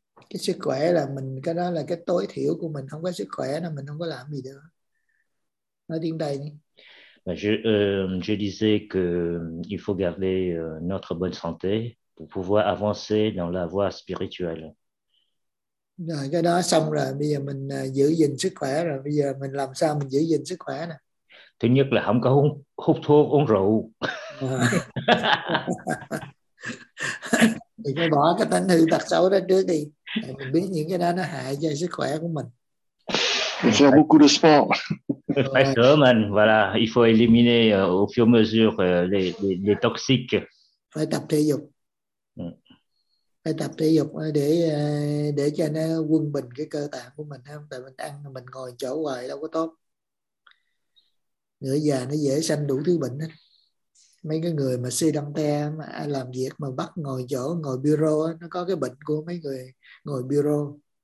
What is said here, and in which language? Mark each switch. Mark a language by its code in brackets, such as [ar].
[vi] Cái sức khỏe là mình, cái đó là cái tối thiểu của mình. Không có sức khỏe là mình không có làm gì được. Nói tiếng Tây đi. [fr] Je disais que il faut garder notre bonne santé pour pouvoir avancer dans la voie spirituelle. [vi] Rồi, cái đó xong rồi, bây giờ mình giữ gìn sức khỏe rồi, bây giờ mình làm sao mình giữ gìn sức khỏe nè. Thứ nhất là không có hút thuốc, uống rượu. Thì phải bỏ cái tánh hư tật xấu đó trước đi. Tại mình biết những cái đó nó hại cho sức khỏe của mình. [fr] Faire beaucoup de sport. Ouais. Ça, man. Voilà, il faut éliminer au fur et à mesure les toxiques. [vi] Phải tập thể dục. Phải tập thể dục để cho nó quân bình cái cơ tạng của mình, không? Tại mình ăn mình ngồi chỗ hoài đâu có tốt. Ngựa già nó dễ sanh đủ thứ bệnh hết. Mấy cái người mà sedante mà làm việc mà bắt ngồi chỗ ngồi bureau nó có cái bệnh của mấy người ngồi bureau.